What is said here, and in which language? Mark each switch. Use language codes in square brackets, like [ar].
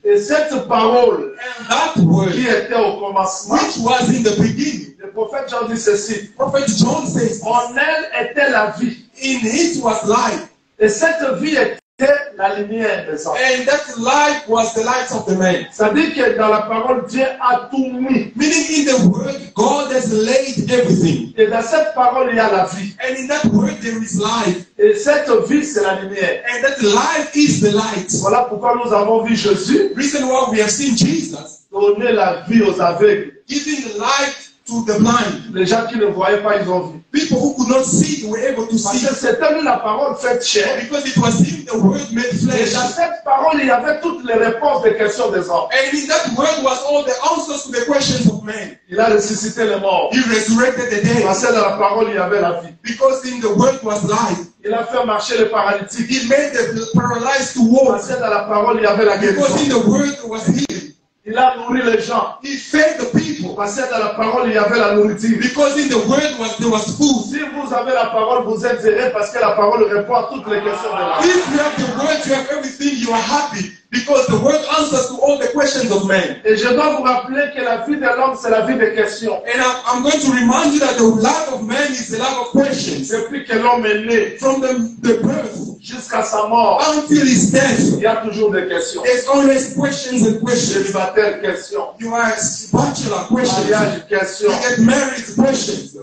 [fr] Et cette parole, [en] and that word, [fr] qui était au commencement, [en] which was in the beginning. [fr] Le prophète Jean dit ceci. [en] Prophet John says, [fr] en elle était la vie. [en] In it was life. [fr] Et cette vie est était la lumière des hommes. [en] And that light was the light of the man. [fr] C'est-à-dire que dans la parole, Dieu a tout mis. [en] Meaning in the word, God has laid everything. [fr] Et dans cette parole, il y a la vie. [en] And in that word, there is life. [fr] Et cette vie, c'est la lumière. [en] And that life is the light. [fr] Voilà pourquoi nous avons vu Jésus. [en] Reason why we have seen Jesus. [fr] Donner la vie aux aveugles. [en] Giving light to the blind. [fr] Les gens qui ne voyaient pas, ils ont vu. [en] People who could not see, they were able to [fr] parce [en] see. [fr] C'était lui la parole faite chair. [en] Because it was him, the word made flesh. [fr] Et dans cette parole, il y avait toutes les réponses des questions des hommes. [en] And in that word was all the answers to the questions of men. [fr] Il a ressuscité les morts. [en] He resurrected the dead. [fr] Parce que dans la parole, il y avait la vie. [en] Because in the word was life. [fr] Il a fait marcher le paralytique. [en] He made the paralyzed to walk. [fr] Parce que dans la parole, il y avait la guérison. [en] Because in the word was healed. [fr] Il a nourri les gens. [en] He fed the people. [fr] Parce que dans la parole, il y avait la nourriture. [en] Because in the word was, there was food. [fr] Si vous avez la parole, vous êtes heureux parce que la parole répond à toutes les questions de l'homme. [en] If you have the word, you have everything, you are happy. Because the word answers to all the questions of men. [fr] Et je dois vous rappeler que la vie de l'homme, c'est la vie des questions. [en] And I'm going to remind you that the life of man is the life of questions. [fr] Depuis que l'homme est né. [en] From the birth. [fr] Jusqu'à sa mort. [en] Until his death. [fr] Il y a toujours des questions. [en] There's always questions and questions. [fr] Célibataire, questions. [en] You are a bachelor, questions. [fr] Mariage, questions. [en] You get married, questions.